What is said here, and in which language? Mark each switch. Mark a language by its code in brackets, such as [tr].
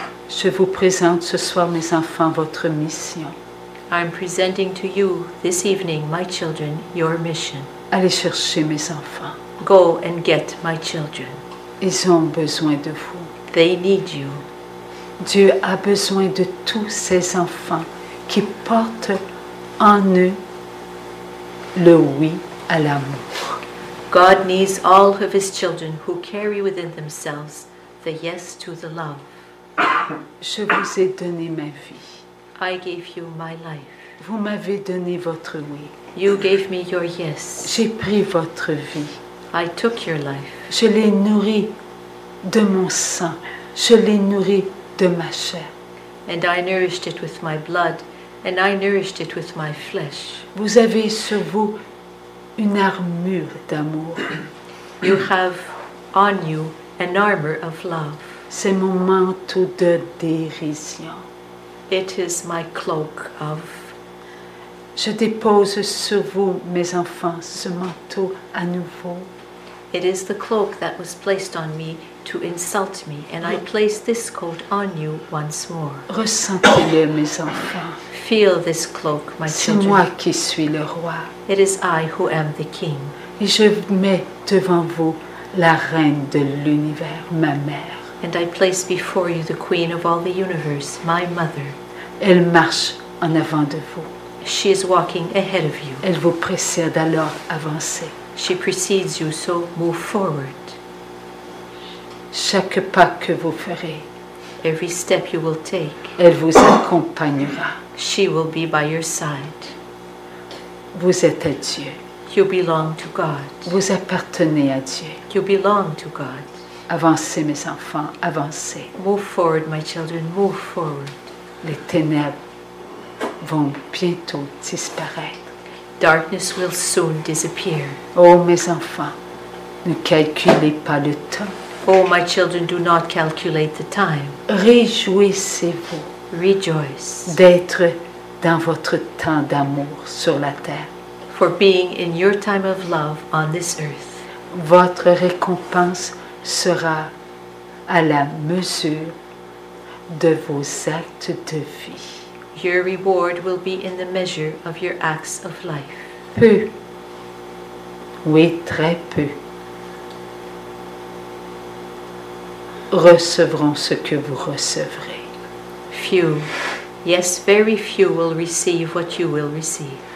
[fr] Je vous présente ce soir, mes enfants, votre mission. [en] I'm presenting to you this evening, my children, your mission. [fr] Allez chercher mes enfants. [en] Go and get my children. [fr] Ils ont besoin de vous. [en] They need you. [fr] Dieu a besoin de tous ses enfants qui portent en eux le oui à l'amour. [en] God needs all of his children who carry within themselves the yes to the love. [fr] Je vous ai donné ma vie. [en] I gave you my life. [fr] Vous m'avez donné votre oui. [en] You gave me your yes. [fr] J'ai pris votre vie. [en] I took your life. [fr] Je l'ai nourri de mon sang. Je l'ai nourri de ma chair. [en] And I nourished it with my blood. And I nourished it with my flesh. [fr] Vous avez sur vous une armure d'amour. [en] You have on you an armor of love. [fr] C'est mon manteau de dérision. [en] It is my cloak of. [fr] Je dépose sur vous, mes enfants, ce manteau à nouveau. [en] It is the cloak that was placed on me to insult me, and I place this coat on you once more. [fr] Ressentez-le, mes enfants. [en] Feel this cloak, my [fr] C'est C'est moi qui suis le roi. [en] It is I who am the king. [fr] Et je mets devant vous la reine de l'univers, ma mère. [en] And I place before you the queen of all the universe, my mother. [fr] Elle marche en avant de vous. [en] She is walking ahead of you. [fr] Elle vous précède, alors avancez. [en] She precedes you, so move forward. [fr] Chaque pas que vous ferez, [en] every step you will take, [fr] elle vous accompagnera. [en] She will be by your side. [fr] Vous êtes à Dieu. [en] You belong to God. [fr] Vous appartenez à Dieu. [en] You belong to God. [fr] Avancez, mes enfants, avancez. [en] Move forward, my children, move forward. [fr] Les ténèbres vont bientôt disparaître. [en] Darkness will soon disappear. [fr] Oh, mes enfants, ne calculez pas le temps. [en] Oh, my children, do not calculate the time. [fr] Réjouissez-vous. [en] Rejoice. [fr] D'être dans votre temps d'amour sur la terre. [en] For being in your time of love on this earth. [fr] Votre récompense sera à la mesure de vos actes de vie. [en] Your reward will be in the measure of your acts of life. [fr] Peu, oui, très peu, recevront ce que vous recevrez. [en] Few, yes, very few will receive what you will receive.